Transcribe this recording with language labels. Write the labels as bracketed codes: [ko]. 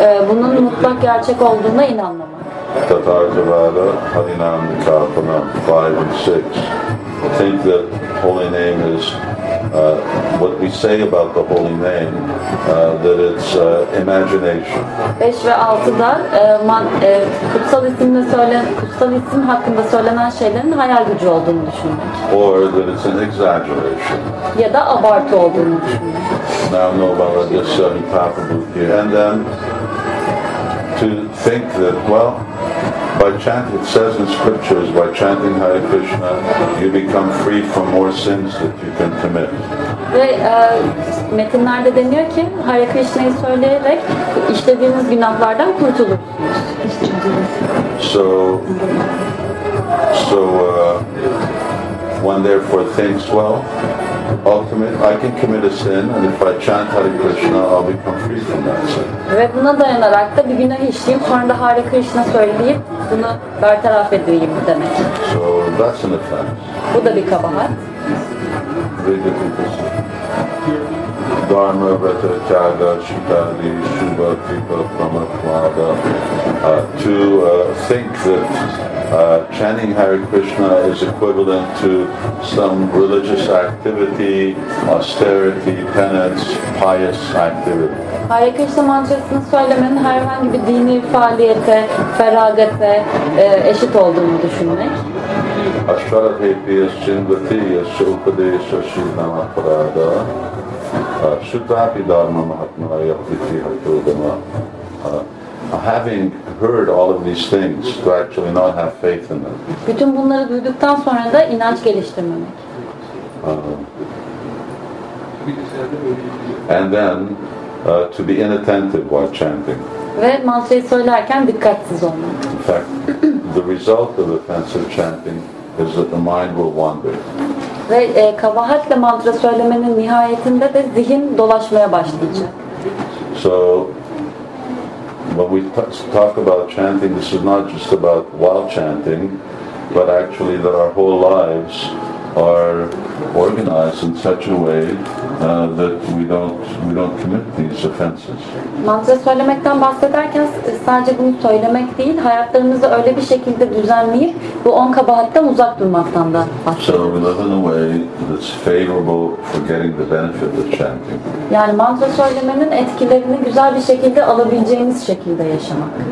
[tr] Bunun mutlak gerçek olduğuna inanmamak. [sa] Tathagata Harinam Kalpana 5 and 6. [en] Think that holy name is what we say about the holy name, that it's imagination. [tr] 5 ve 6'da kutsal isimle kutsal isim hakkında söylenen şeylerin hayal gücü olduğunu düşünmek. [en] Or that it's an exaggeration. [tr] Ya da abartı olduğunu düşünmek. [sa] Now Nobaradyasani Papabuki. [en] And then to think that, well, by chanting, it says in scriptures, by chanting Hare Krishna, you become free from more sins that you can commit. [tr] Ve metinlerde deniyor ki, Hare Krishna'yı söyleyerek işlediğiniz günahlardan kurtulursunuz. [en] So one therefore thinks, well, ultimately, I can commit a sin, and if I chant Hare Krishna, I'll become free from that sin. [tr] Ve buna dayanarak da bir günah işleyeyim, sonra da Hare Krishna söyleyip bunu bertaraf edeyim demek. [en] So that's an offense. [tr] Bu da bir kabahat. [en] Read it with us. [sa] Dharma vrata chaga shitali shubha kripa pramatvada. [en] To think that chanting Hare Krishna is equivalent to some religious activity, austerity, penance, pious activity. [tr] Hare Krishna mantrasını söylemenin herhangi bir dini faaliyete, feragate eşit olduğunu düşünmek. [sa] Aşşarabhepi yasçindati yasya upadesha shirnama parada. Shutapi dharma mahatma yaktiti hatodama. [en] Having heard all of these things, to actually not have faith in them. [tr] Bütün bunları duyduktan sonra da inanç geliştirmemek. [en] And then to be inattentive while chanting. [tr] Ve mantrayı söylerken dikkatsiz olmak. [en] In fact, the result of offensive chanting is that the mind will wander. [tr] Ve kabahatle mantra söylemenin nihayetinde de zihin dolaşmaya başlayacak. [en] So when we talk about chanting, this is not just about while chanting, but actually that our whole lives are organized in such a way that we don't commit these offenses. [tr] Mantra söylemekten bahsederken sadece bunu söylemek değil, hayatlarımızı öyle bir şekilde düzenleyip bu on kabahatten uzak durmaktan da bahsediyoruz. [en] So we live in a way that's favorable for getting the benefit of chanting. [tr] Yani mantra söylemenin etkilerini güzel bir şekilde alabileceğimiz şekilde yaşamak.